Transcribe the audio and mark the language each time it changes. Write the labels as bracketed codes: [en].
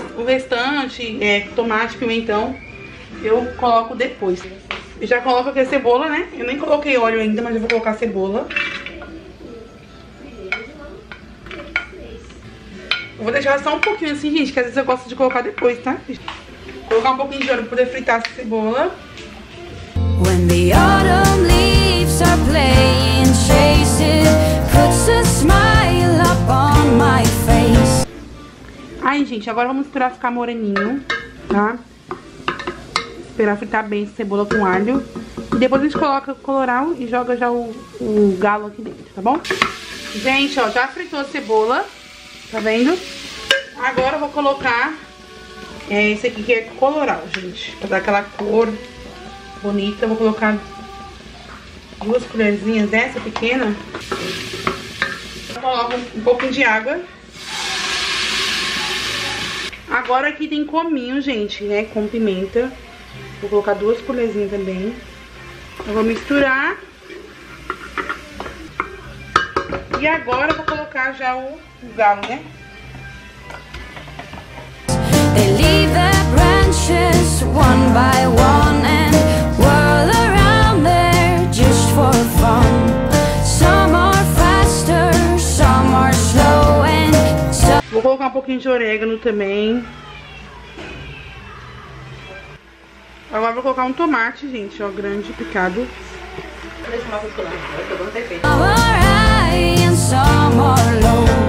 [pt] O restante, tomate, pimentão, eu coloco depois. Eu já coloco aqui a cebola, né? Eu nem coloquei óleo ainda, mas eu vou colocar a cebola. Eu vou deixar só um pouquinho assim, gente, que às vezes eu gosto de colocar depois, tá? Vou colocar um pouquinho de óleo pra poder fritar a cebola. [en] When the autumn leaves are playing chasing, puts a smile upon my face. [pt] Aí, gente, agora vamos esperar ficar moreninho, tá? Esperar fritar bem essa cebola com alho. E depois a gente coloca o colorau e joga já o galo aqui dentro, tá bom? Gente, ó, já fritou a cebola. Tá vendo? Agora eu vou colocar esse aqui que é coloral, gente, pra dar aquela cor bonita. Eu vou colocar duas colherzinhas dessa pequena. Eu coloco um pouquinho de água. Agora aqui tem cominho, gente, né, com pimenta. Vou colocar duas colherzinhas também. Eu vou misturar. E agora eu vou colocar já o galo, né? [en] They leave their branches one by one and whirl around there just for fun. Some are faster, some are slow and some... [pt] Vou colocar um pouquinho de orégano também. Agora vou colocar um tomate, gente, ó, grande, picado. Deixa eu mostrar o que eu vou ter feito. [en] Some are high and some are low.